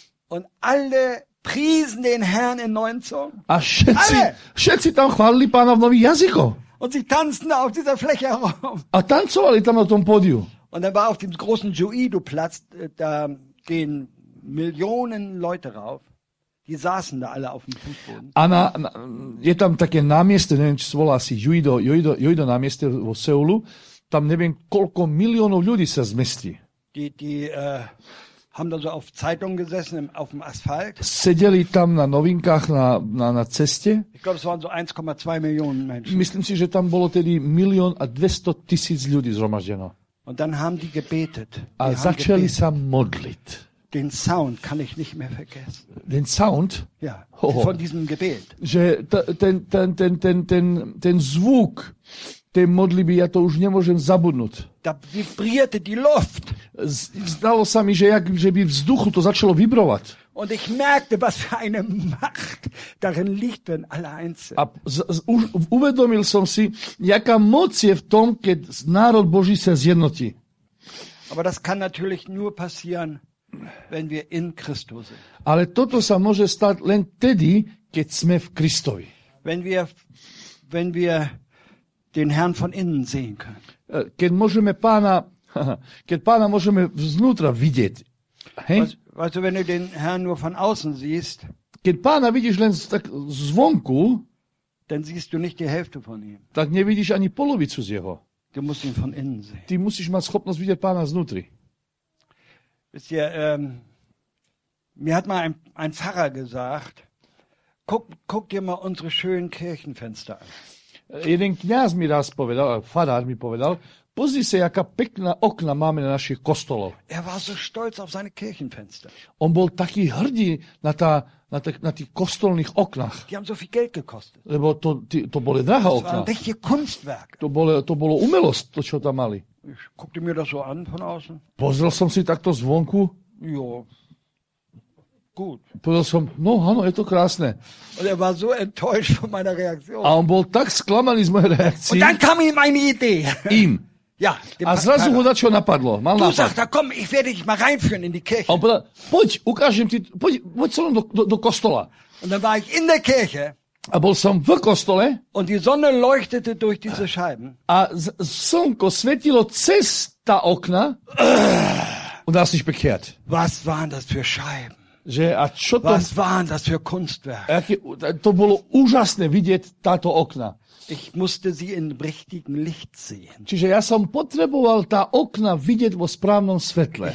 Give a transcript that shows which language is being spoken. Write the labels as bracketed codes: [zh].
[de] Und alle priesen den Herrn in neuen Zungen. [sk] A všetci tam chválili Pána v nových jazykoch. [de] Und sie tanzten auf dieser Fläche herum. [sk] A tancovali tam na tom pódiu. [de] Und dann war auf dem großen Juido-Platz, da gehen Millionen Leute rauf. Die saßen da alle auf dem Fußboden. [sk] Anna, je tam také námieste, neviem, čo volá si Juido námieste vo Seulu, tam neviem, koľko miliónov ľudí sa zmestí. [de] Die haben da so auf Zeitung gesessen, auf dem Asphalt. [sk] Sedeli tam na novinkách, na ceste. [de] Ich glaube, es waren so 1,2 Millionen Menschen. [sk] Myslím si, že tam bolo tedy 1 200 000 ľudí zhromaždeno. [de] Und dann haben die gebetet. [sk] A začali sa modliť. [de] Den Sound kann ich nicht mehr vergessen. Den Sound? Ja, von diesem Gebet. [sk] Že ten zvuk tej modlitby, ja to už nemôžem zabudnúť. [de] Da vibrierte die Luft. [sk] Zdalo sa mi, že by vzduchu to začalo vibrovať. [de] Und ich merkte, was für eine Macht darin liegt, wenn alle eins sind. [sk] A uvedomil som si, jaká moc je v tom, keď národ Boží sa zjednotí. [de] Aber das kann natürlich nur passieren, wenn wir in Christus sind. [sk] Ale toto sa môže stať len tedy, keď sme v Kristovi. [de] Wenn wir den Herrn von innen sehen können. [sk] Keď Pána môžeme vznútra vidieť. [de] Also wenn du den Herrn nur von außen siehst, [sk] keď Pána vidíš len tak zvonku, [de] dann siehst du nicht die Hälfte von ihm. [sk] Tak nevidíš ani polovicu z jeho. [de] Du musst ihn von innen sehen. [sk] Ty musíš mať schopnosť vidieť Pána znútri. [de] Mir hat mal ein Pfarrer gesagt, guck dir mal unsere schönen Kirchenfenster an. [sk] Jeden Kňaz mi raz povedal, Pfarrer mi povedal, Pozri se, jaká pekná okna máme na našich kostolov. [de] Er war so stolz auf seine Kirchenfenster. [sk] On bol taký hrdý na, tá, na, tých, na tých kostolných oknách. [de] Die haben so viel Geld gekostet. [sk] Lebo to, to boli drahé okna. [de] Das waren richtige Kunstwerke. [sk] To bolo umelosť, to, čo tam mali. [de] Ich guckte mir das so an von außen. [sk] Pozrel som si takto zvonku. [de] Jo. Gut. [sk] Pozrel som, no áno, je to krásne. [de] Und er war so enttäuscht von meiner Reaktion. [sk] A on bol tak sklamaný z mojej reakcie. [de] Und dann kam ihm eine Idee. Ihm. Ja, [sk] a zrazu ho dačo napadlo. Mal [de] du sagst, komm, ich werde dich mal reinführen in die Kirche. [sk] On povedal, poď, ukážem ti, poď, poď celom do kostola. [de] Und dann war ich in der Kirche. [sk] A bol som v kostole. [de] Und die Sonne leuchtete durch diese Scheiben. [sk] A slnko svetilo cez tá okna. [de] Und hast dich bekehrt. Was waren das für Scheiben? [sk] Že, a čo to, [de] was waren das für Kunstwerke? [sk] To bolo úžasné vidieť táto okna. [de] Ich musste sie in richtigem Licht sehen. [sk] Čiže ja som potreboval tá okna vidieť vo správnom svetle.